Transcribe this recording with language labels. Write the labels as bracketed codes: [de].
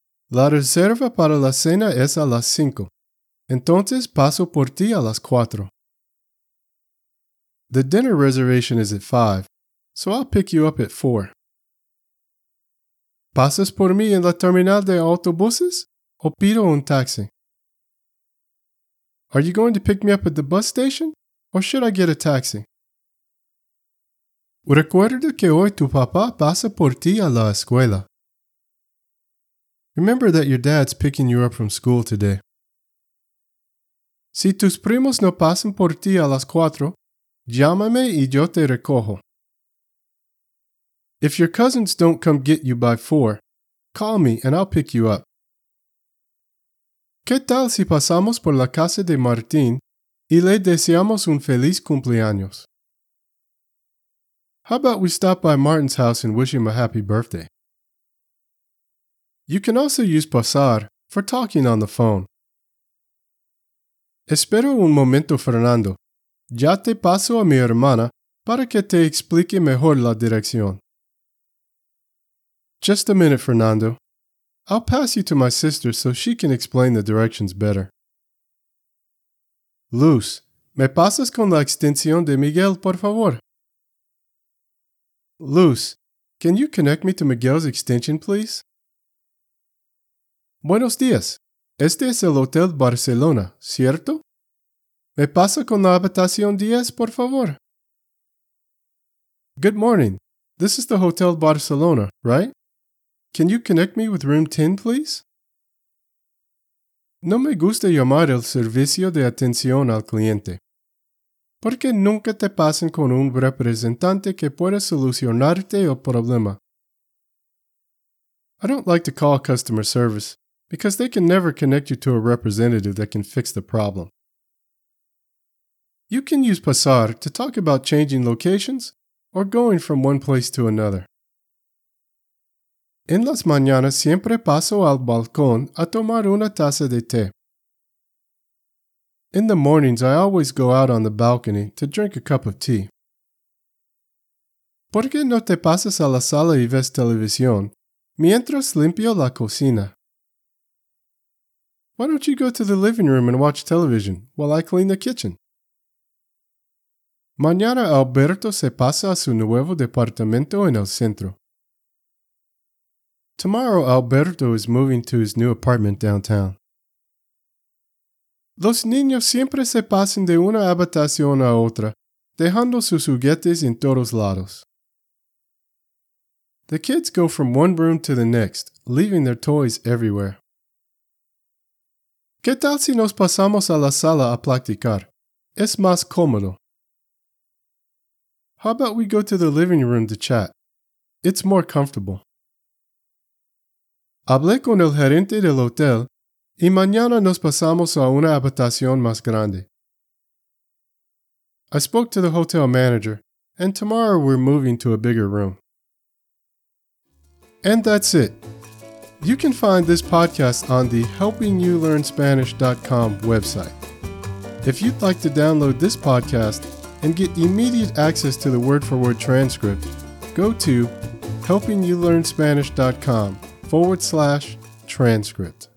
[es] La reserva para la cena es a las 5. Entonces paso por ti a las 4. [en] The dinner reservation is at 5, so I'll pick you up at 4. [es] ¿Pasas por mí en la terminal de autobuses o pido un taxi? [en] Are you going to pick me up at the bus station or should I get a taxi? [es] Recuerda que hoy tu papá pasa por ti a la escuela. [en] Remember that your dad's picking you up from school today. [es] Si tus primos no pasan por ti a las 4, llámame y yo te recojo. [en] If your cousins don't come get you by 4, call me and I'll pick you up. [es] ¿Qué tal si pasamos por la casa de Martín y le deseamos un feliz cumpleaños? [en] How about we stop by Martin's house and wish him a happy birthday? You can also use pasar for talking on the phone. [es] Espero un momento, Fernando. Ya te paso a mi hermana para que te explique mejor la dirección. [en] Just a minute, Fernando. I'll pass you to my sister so she can explain the directions better. [es] Luz, ¿me pasas con la extensión de Miguel, por favor? [en] Luz, can you connect me to Miguel's extension, please? [es] Buenos días. Este es el Hotel Barcelona, ¿cierto? ¿Me pasa con la habitación 10, por favor? [en] Good morning. This is the Hotel Barcelona, right? Can you connect me with room 10, please? [es] No me gusta llamar el servicio de atención al cliente, porque nunca te pasan con un representante que pueda solucionarte el problema. [en] I don't like to call customer service, because they can never connect you to a representative that can fix the problem. You can use pasar to talk about changing locations or going from one place to another. [es] En las mañanas siempre paso al balcón a tomar una taza de té. [en] In the mornings, I always go out on the balcony to drink a cup of tea. [es] ¿Por qué no te pasas a la sala y ves televisión mientras limpio la cocina? [en] Why don't you go to the living room and watch television while I clean the kitchen? [es] Mañana Alberto se pasa a su nuevo departamento en el centro. [en] Tomorrow, Alberto is moving to his new apartment downtown. [es] Los niños siempre se pasan de una habitación a otra, dejando sus juguetes en todos lados. [en] The kids go from one room to the next, leaving their toys everywhere. [es] ¿Qué tal si nos pasamos a la sala a platicar? Es más cómodo. [en] How about we go to the living room to chat? It's more comfortable. [es] Hablé con el gerente del hotel y mañana nos pasamos a una habitación más grande. [en] I spoke to the hotel manager and tomorrow we're moving to a bigger room. And that's it. You can find this podcast on the helpingyoulearnspanish.com website. If you'd like to download this podcast and get immediate access to the word-for-word transcript, go to helpingyoulearnspanish.com/transcript.